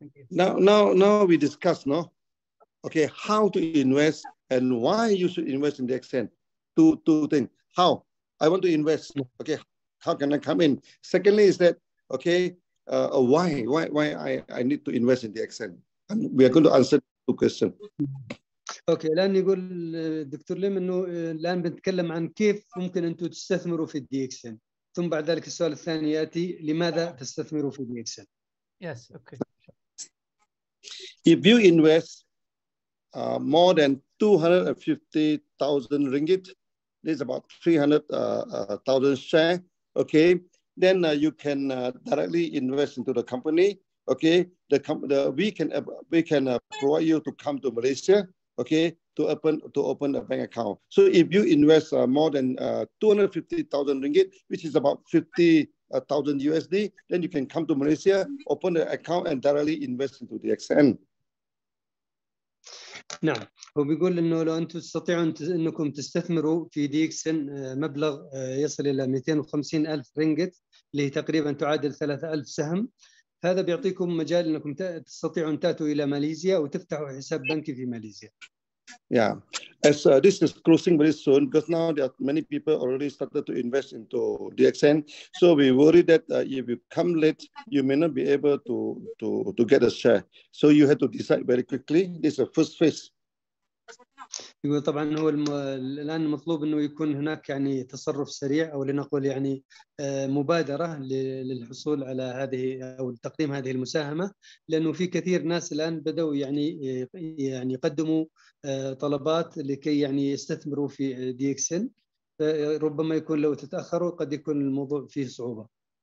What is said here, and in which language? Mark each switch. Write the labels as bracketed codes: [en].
[en] Now we discuss no, okay how to invest and why you should invest in the accent two things how I want to invest okay how can I come in secondly is that okay why I need to invest in the accent and we are going to answer two questions. [ar] اوكي الان يقول الدكتور ليم انه الان بنتكلم عن كيف ممكن انتم تستثمروا في الدي اكس ان ثم بعد ذلك السؤال الثاني ياتي لماذا تستثمروا في الدي اكس ان [en] yes okay if you invest more than 250,000 ringgit this is about 300,000 share okay then you can directly invest into the company okay the we can provide you to come to Malaysia okay to open a bank account so if you invest more than 250,000 ringgit which is about 50,000 USD then you can come to Malaysia open the account and directly invest into the XN [ar] نعم هو بيقول انه لو انتم تستطيعوا انكم تستثمروا في ديكسن مبلغ يصل الى 250,000 رينجت اللي تقريبا تعادل 3,000 سهم هذا بيعطيكم مجال انكم تستطيعوا ان تاتوا الى ماليزيا وتفتحوا حساب بنكي في ماليزيا. [en] Yeah. As this is closing very soon because now there are many people already started to invest into DXN. So we worry that if you come late you may not be able to get a share. So you have to decide very quickly. This is the first phase. [ar] يقول طبعا هو الان مطلوب انه يكون هناك يعني تصرف سريع او لنقول يعني مبادره للحصول على هذه او تقديم هذه المساهمه لانه في كثير ناس الان بداوا يعني يقدموا طلبات لكي يعني يستثمروا في دي اكس ان ربما يكون لو تتاخروا قد يكون الموضوع فيه صعوبه.